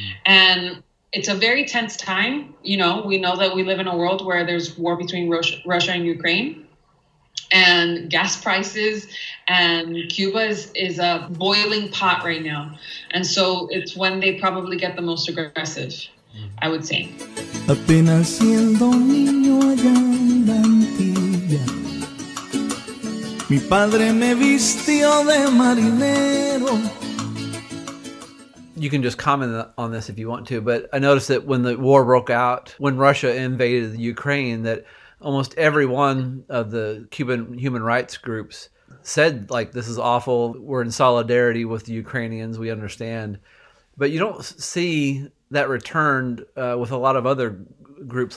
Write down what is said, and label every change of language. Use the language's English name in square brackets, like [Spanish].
[English] And it's a very tense time. You know, we know that we live in a world where there's war between Russia and Ukraine and gas prices, and Cuba is a boiling pot right now. And so it's when they probably get the most aggressive, I would say. [Spanish] Apenas siendo niño allá en la Antilla, mi padre me vistió de marinero. [English] You can just comment on this if you want to, but I noticed that when the war broke out, when Russia invaded Ukraine, that almost every one of the Cuban human rights groups said, like, this is awful. We're in solidarity with the Ukrainians. We understand. But you don't see that returned with a lot of other groups.